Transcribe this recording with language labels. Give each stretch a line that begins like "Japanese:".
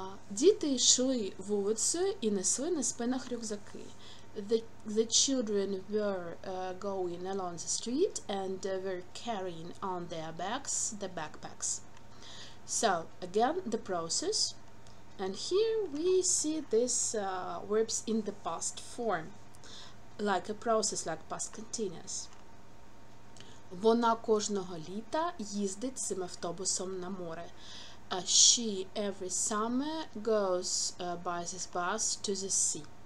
Ukrainian: Діти йшли вулицею і несли на спинах рюкзаки.
English: The children were going along the street and were carrying on their bags, the backpacks. So, again, the process. And here we see these verbs in the past form, like a process, like past continuous.
Ukrainian: Вона кожного літа їздить цим автобусом на море.
English: She every summer goes by this bus to the sea.